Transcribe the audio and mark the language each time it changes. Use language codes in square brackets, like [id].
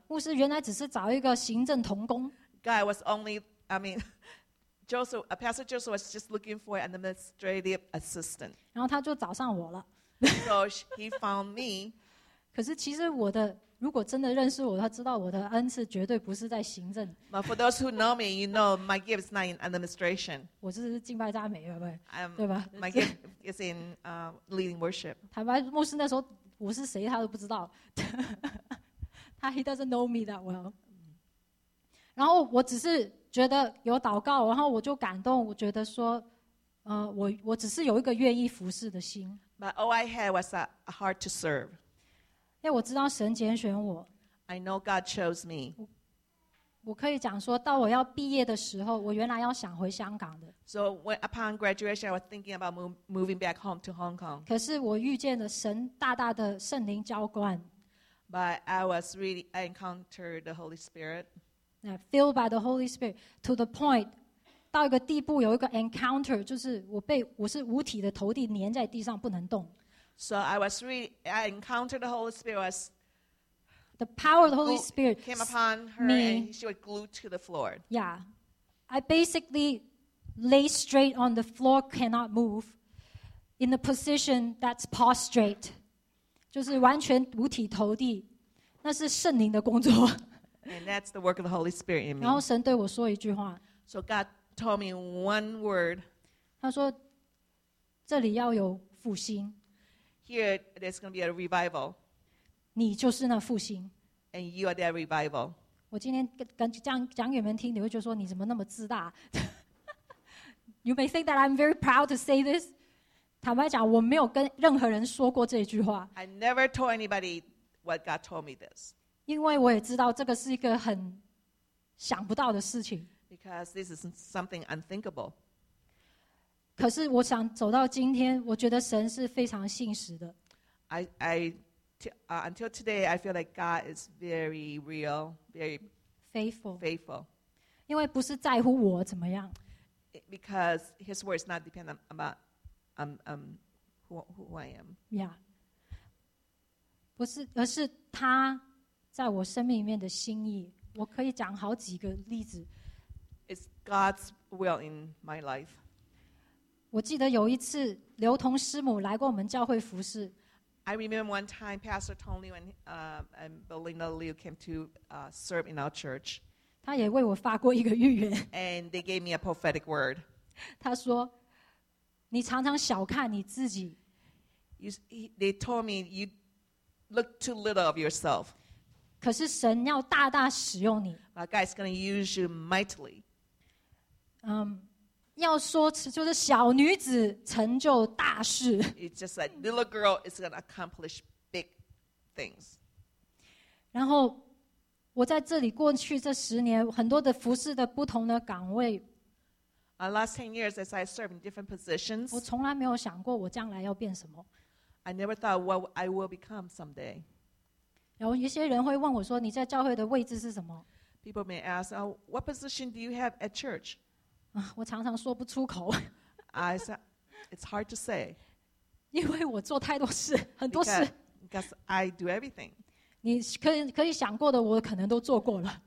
[zh] 牧师原来只是找一个行政同工。 [en] God was only, I mean, Joseph, Pastor Joseph was just looking for an administrative assistant. [zh] 然后他就找上我了。 [en] So he found me. [zh] 可是其实我的，如果真的认识我，他知道我的恩赐绝对不是在行政。 [en] But for those who know me, you know my gift is not in administration. [zh] 我是敬拜赞美，对吧？ [en] My gift is in leading worship. [zh] 坦白，牧师那时候我是谁，他都不知道。 [en] He doesn't know me that well. [zh] 然后我只是觉得有祷告，然后我就感动，我觉得说，我只是有一个愿意服侍的心。 [en] But all I had was a heart to serve. [zh] 因为我知道神拣选我。 [en] I know God chose me. [zh] 我可以讲说到我要毕业的时候，我原来要想回香港的。 [en] So upon graduation, I was thinking about moving back home to Hong Kong. [zh] 可是我遇见了神大大的圣灵浇灌。 [en] But I encountered the Holy Spirit. Filled by the Holy Spirit to the point, [zh] 到一个地步有一个 encounter, 就是我是五体的投地粘在地上不能动。 [en] So I was really, I encountered the Holy Spirit. Was the power of the Holy Spirit came upon her me, and she was glued to the floor. Yeah. I basically lay straight on the floor, cannot move, in the position that's prostrate. [zh] 就是完全五体投地，那是圣灵的工作。 [en] And that's the work of the Holy Spirit in me. [zh] 然后神对我说一句话。 [en] So God told me one word. [zh] 他说，这里要有复兴。 [en] Here, there's going to be a revival. [zh] 你就是那复兴。 [en] And you are that revival. [zh] 我今天跟讲员们听，你会觉得说你怎么那么自大？ [en] You may think that I'm very proud to say this. [zh] 坦白讲，我没有跟任何人说过这句话。 [en] I never told anybody what God told me this. [zh] 因为我也知道这个是一个很想不到的事情。 [en] Because this is something unthinkable. [zh] 可是我想走到今天，我觉得神是非常信实的。 [en] Until today, I feel like God is very real, very faithful. Faithful. [zh] 因为不是在乎我怎么样。 [en] Because His word is not dependent about. Who I am. Yeah. [zh] 不是，而是他在我生命里面的心意。我可以讲好几个例子。 [en] It's God's will in my life. [zh] 我记得有一次，刘同师母来过我们教会服事。 [en] I remember one time Pastor Tony Liu and Belinda Liu came to serve in our church. [zh] 他也为我发过一个预言。 [en] And they gave me a prophetic word. [zh] 他说你常常小看你自己。 [en] They told me you look too little of yourself. [zh] 可是神要大大使用你。 [en] But God is going to use you mightily. [zh] 要说就是小女子成就大事。 [en] It's just that little girl is going to accomplish big things. [zh] 然后我在这里过去这十年，很多的服事的不同的岗位。 [en] Last 10 years, as I served in different positions, [zh] 我从来没有想过我将来要变什么。 [en] I never thought what I will become someday. [zh] 有一些人会问我说，你在教会的位置是什么？ [en] People may ask, oh, what position do you have at church? [zh] 我常常说不出口。 [en] I said, it's hard to say. [zh] 因为我做太多事，很多事。 [en] Because I do everything. [zh] 你可以想过的我可能都做过了。